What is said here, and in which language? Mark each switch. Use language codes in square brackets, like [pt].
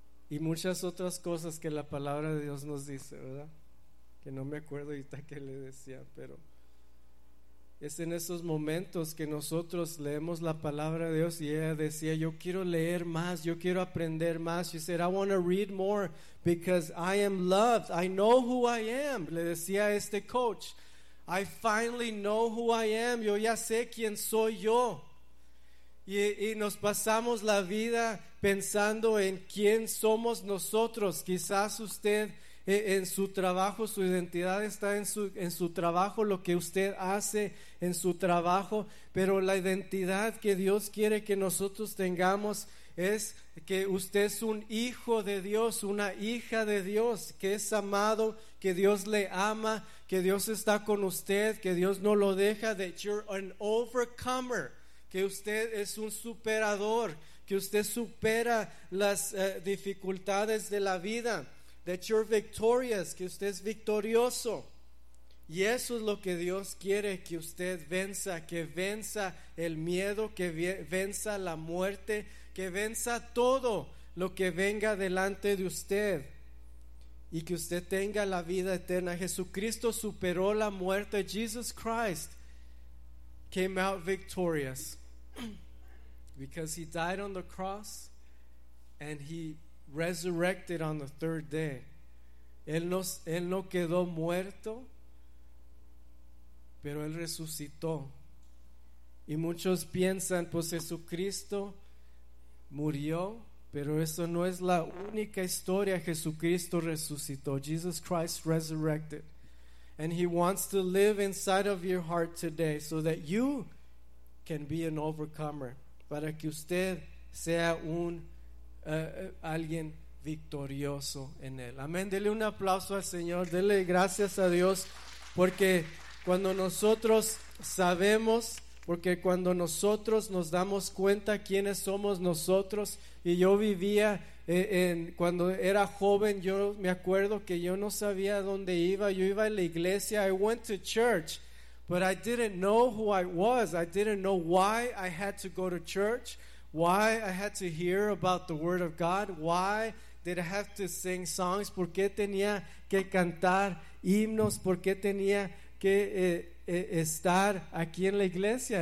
[es] Y muchas otras cosas que la palabra de Dios nos dice, ¿verdad? Que no me acuerdo ahorita qué le decía, pero es en esos momentos que nosotros leemos la palabra de Dios. Y ella decía, yo quiero leer más, yo quiero aprender más. [en] She said, I want to read more because I am loved. I know who I am, [es] le decía a este coach. [en] I finally know who I am. [es] Yo ya sé quién soy yo. Y nos pasamos la vida pensando en quién somos nosotros. Quizás usted en su trabajo, su identidad está en su trabajo, lo que usted hace en su trabajo. Pero la identidad que Dios quiere que nosotros tengamos es que usted es un hijo de Dios, una hija de Dios, que es amado, que Dios le ama, que Dios está con usted, que Dios no lo deja. [en] That you're an overcomer, [es] que usted es un superador, que usted supera las dificultades de la vida. [en] That you're victorious, [es] que usted es victorioso. Y eso es lo que Dios quiere, que usted venza, que venza el miedo, que venza la muerte, que venza todo lo que venga delante de usted y que usted tenga la vida eterna. Jesucristo superó la muerte. [en] Jesus Christ came out victorious because he died on the cross and he resurrected on the third day. [es] Él no quedó muerto, pero él resucitó. Y muchos piensan, pues Jesucristo murió, pero eso no es la única historia. Jesucristo resucitó. [en] Jesus Christ resurrected. And he wants to live inside of your heart today so that you can be an overcomer. [es] Para que usted sea un alguien victorioso en él. Amén. Dele un aplauso al Señor. Dele gracias a Dios porque cuando nosotros sabemos, porque cuando nosotros nos damos cuenta quiénes somos nosotros. Y yo vivía cuando era joven, yo me acuerdo que yo no sabía dónde iba. Yo iba a la iglesia, [en] I went to church, but I didn't know who I was. I didn't know why I had to go to church, why I had to hear about the word of God, why did I have to sing songs, [es] por qué tenía que cantar himnos, por qué tenía que estar aquí en la iglesia.